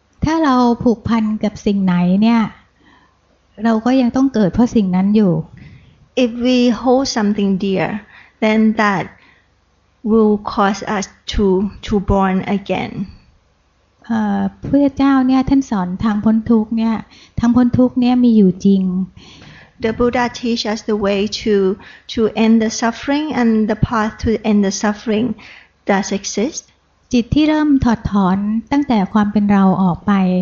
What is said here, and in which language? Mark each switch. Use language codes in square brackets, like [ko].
[th] ถ้าเราผูกพันกับสิ่งไหนเนี่ยเราก็ยังต้องเกิดเพราะสิ่งนั้นอยู่ [en] if we hold something dear then that will cause us to born again [th] พระเจ้าเนี่ยท่านสอนทางพ้นทุกข์เนี่ยทางพ้นทุกข์เนี่ยมีอยู่จริง [en] The Buddha teach us the way to end the suffering and the path to end the suffering does exist [th] จิตที่เริ่มถอดถอนตั้งแต่ความเป็นเราออกไป